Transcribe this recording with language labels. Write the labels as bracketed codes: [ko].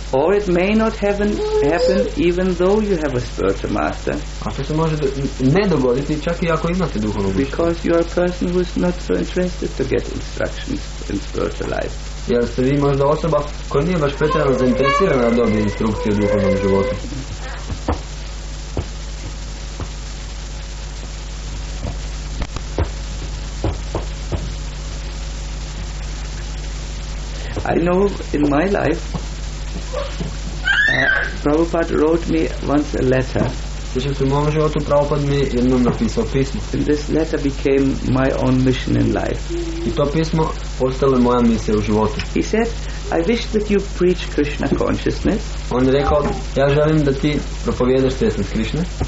[en] Or it may not happen even though you have a spiritual master. [hr] A to se može ne dogoditi čak i ako imate duhovnog učitelja. [en] Because you are a person who is not so interested to get instructions in spiritual life. [hr] Jer ste vi možda osoba koja nije baš pretjerano zainteresirana da dobije instrukcije u duhovnom životu. [en] I know in my life Prabhupada wrote me once a letter. [hr] Sjećam se u mom životu Prabhupada mi jednom napisao pismo. [en] And this letter became my own mission in life. [hr] I to pismo postalo je moja misija u životu. [en] He said, I wish that you preach Krishna consciousness. [hr] On je rekao, ja želim da ti propovijedaš svjesnost Krishna.